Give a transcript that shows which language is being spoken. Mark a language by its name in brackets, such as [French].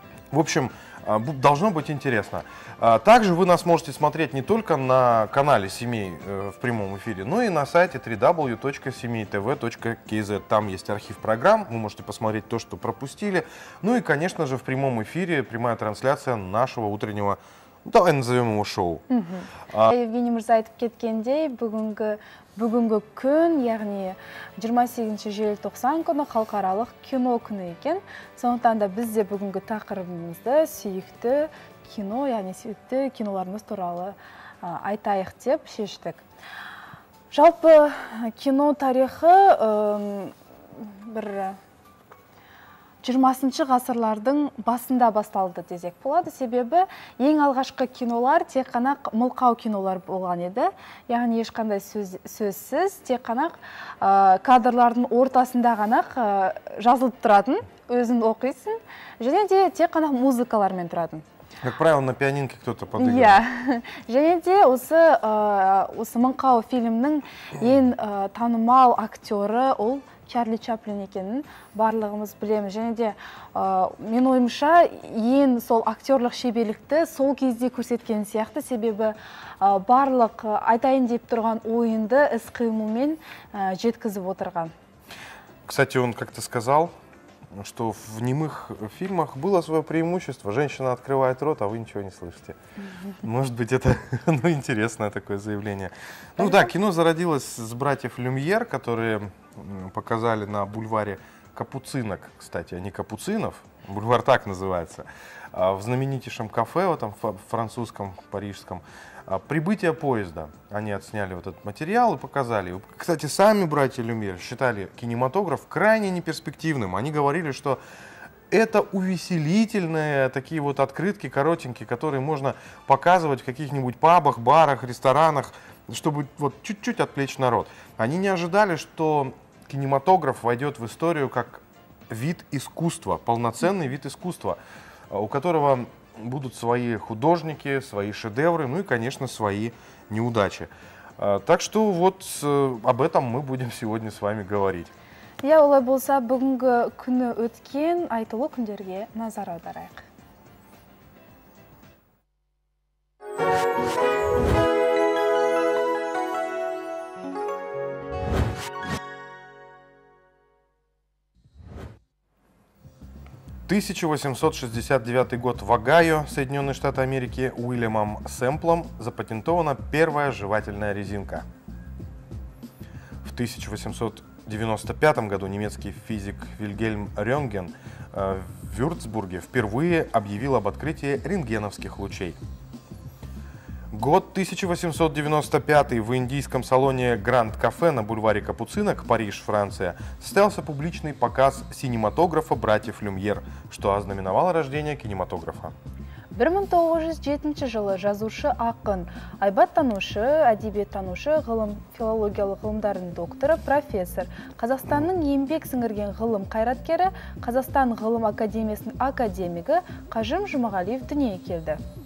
[Russian] В общем, должно быть интересно. Также вы нас можете смотреть не только на канале «Семей» в прямом эфире, но и на сайте www.semeitv.kz. Там есть архив программ, вы можете посмотреть то, что пропустили. Ну и, конечно же, в прямом эфире прямая трансляция нашего утреннего, давай назовем его, шоу. [Kazakh] Евгений Мурзаев, кеткендей, бүгінгі күн, яғни 28 желтоқсан күні халықаралық кино күні екен. Сондықтан да бізде бүгінгі тақырыбымызды сүйікті кино, яғни сүйікті киноларымыз туралы айтайық деп шештік. Жалпы кино тарихы 20-шы ғасырлардың басында басталды десек болады. Себебі ең алғашқы кинолар тек қана мылқау кинолар болған еді. Яғни ешқандай сөзсіз тек қана кадрлардың ортасында ғана жазылып тұратын, өзің оқисың. Және де тек қана музыкалармен тұратын. [Russian] Как правило, на пианинке кто-то подыграл. [Kazakh] Және де осы мылқау фильмнің ең танымал актері ол Чарли Чаплин екенін барлығымыз білеміз. Және де мен ойымша ең сол актерлық шеберлікті сол кезде көрсеткен сияқты. Себебі барлық айтайын деп тұрған ойынды іс қимылмен жеткізіп отырған. [Russian] Кстати, он как-то сказал, что в немых фильмах было свое преимущество. Женщина открывает рот, а вы ничего не слышите. Может быть, это интересное такое заявление. Ну да, кино зародилось с братьев Люмьер, которые показали на бульваре Капуцинок, кстати, а не Капуцинов, бульвар так называется, в знаменитейшем кафе, вот там французском, парижском. «Прибытие поезда». Они отсняли вот этот материал и показали. Кстати, сами братья Люмьер считали кинематограф крайне неперспективным. Они говорили, что это увеселительные такие вот открытки коротенькие, которые можно показывать в каких-нибудь пабах, барах, ресторанах, чтобы вот чуть-чуть отвлечь народ. Они не ожидали, что кинематограф войдет в историю как вид искусства, полноценный вид искусства, у которого будут свои художники, свои шедевры, ну и, конечно, свои неудачи. Так что вот об этом мы будем сегодня с вами говорить. [Kazakh] Я олай болса бүгінгі күні өткен айтулы күндерге назар аударайық. [Russian] 1869 год. В Огайо, Соединенные Штаты Америки, Уильямом Сэмплом запатентована первая жевательная резинка. В 1895 году немецкий физик Вильгельм Рентген в Вюрцбурге впервые объявил об открытии рентгеновских лучей. Год 1895. В индийском салоне Гранд Кафе на бульваре Капуцинок, Париж, Франция, состоялся публичный показ синематографа братьев Люмьер, что ознаменовало рождение кинематографа. [Kazakh] 1907 жылы жазушы ақын, айбат танушы, әдебиет танушы, ғылым, филологиялық ғылымдарының докторы, профессор, Қазақстанның еңбек сіңірген ғылым қайраткері, Қазақстан ғылым академиясының академигі Қажым Жұмағалиев дүниеге келді.